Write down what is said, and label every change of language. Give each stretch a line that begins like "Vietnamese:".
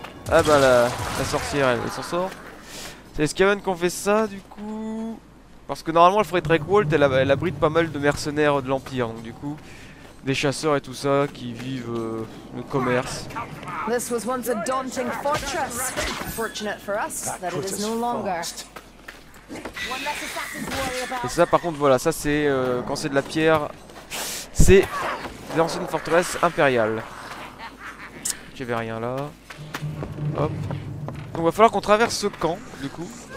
French: Ah bah la sorcière elle s'en sort. C'est les Skaven qui ont fait ça du coup. Parce que normalement la forêt Drakewalt elle abrite pas mal de mercenaires de l'Empire. Donc du coup des chasseurs et tout ça qui vivent le commerce.
English: This was once a daunting fortress. Fortunate for us that it is no longer.
French: Et ça par contre voilà, ça c'est quand c'est de la pierre. C'est l'ancienne forteresse impériale. J'avais rien là. Hop. Donc va falloir qu'on traverse ce camp, du coup.